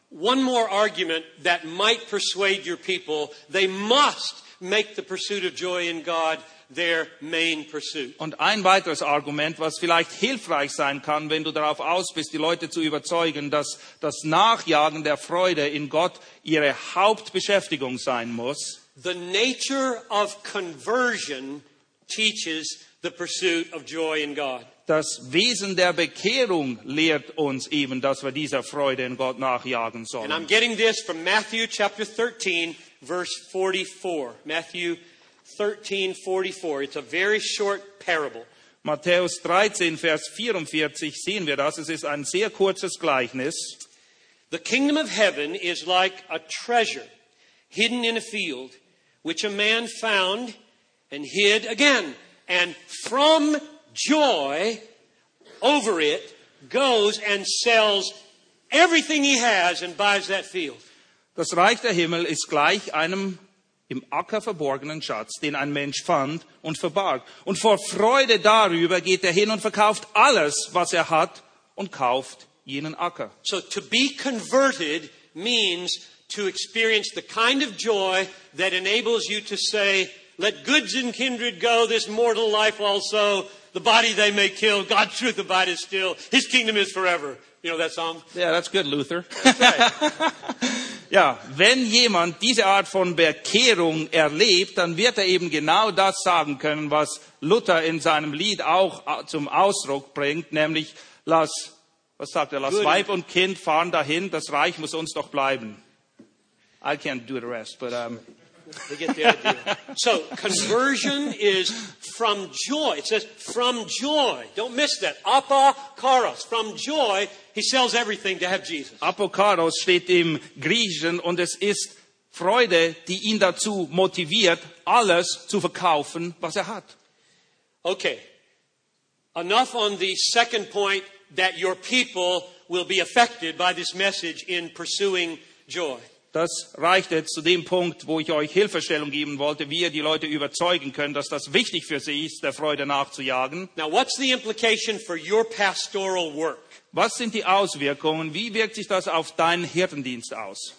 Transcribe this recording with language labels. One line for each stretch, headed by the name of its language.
English: One more argument that might persuade your people, they must make the pursuit of joy in God their main pursuit.
German: Und ein weiteres Argument, was vielleicht hilfreich sein kann, wenn du darauf aus bist, die Leute zu überzeugen, dass das Nachjagen der Freude in Gott ihre Hauptbeschäftigung sein muss.
English: The nature of conversion teaches the pursuit of joy in God.
German: Das Wesen der Bekehrung lehrt uns eben, dass wir dieser Freude in Gott nachjagen sollen.
English: And I'm getting this from Matthew chapter 13, verse 44. Matthew 13:44. It's a very short parable.
German: Matthäus 13, Vers 44 sehen wir das. Es ist ein sehr kurzes Gleichnis.
English: The kingdom of heaven is like a treasure hidden in a field, which a man found and hid again. And from joy over it goes and sells everything he has and buys that field.
German: Das Reich der Himmel ist gleich einem im Acker verborgenen Schatz, den ein Mensch fand und verbarg. Und vor Freude darüber geht er hin und verkauft alles, was er hat, und kauft jenen Acker.
English: So to be converted means to experience the kind of joy that enables you to say, let goods and kindred go, this mortal life also, the body they may kill, God's truth abideth still, his kingdom is forever. You know that song? Yeah, that's good, Luther. That's right.
German: Ja, wenn jemand diese Art von Bekehrung erlebt, dann wird er eben genau das sagen können, was Luther in seinem Lied auch zum Ausdruck bringt, nämlich, lass Weib und Kind fahren dahin, das Reich muss uns doch bleiben.
English: I can't do the rest, but... They get the idea. So, conversion is from joy. It says, from joy. Don't miss that. Apokaros. From joy, he sells everything to have Jesus.
German: Apokaros steht im Griechischen und es ist Freude, die ihn dazu motiviert, alles zu verkaufen, was er hat.
English: Okay. Enough on the second point that your people will be affected by this message in pursuing joy.
German: Das reicht jetzt zu dem Punkt, wo ich euch Hilfestellung geben wollte, wie ihr die Leute überzeugen könnt, dass das wichtig für sie ist, der Freude nachzujagen.
English: Now, what's the implication for your pastoral work?
German: Was sind die Auswirkungen? Wie wirkt sich das auf deinen Hirtendienst aus?